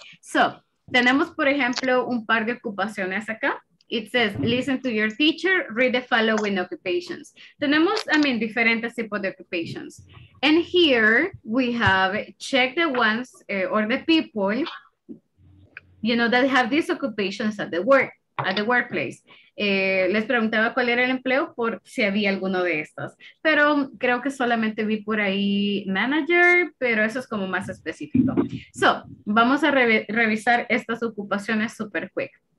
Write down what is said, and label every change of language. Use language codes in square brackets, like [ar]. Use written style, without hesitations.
[es] So, tenemos, por ejemplo, un par de ocupaciones acá. [en] It says, listen to your teacher, read the following occupations. Tenemos, I mean, [es] diferentes tipos de [en] occupations. And here, we have check the ones or the people, you know, that have these occupations at the work, at the workplace. [es] Les preguntaba cuál era el empleo por si había alguno de estos. Pero creo que solamente vi por ahí manager, pero eso es como más específico. So, vamos a revisar estas ocupaciones [en] super quick.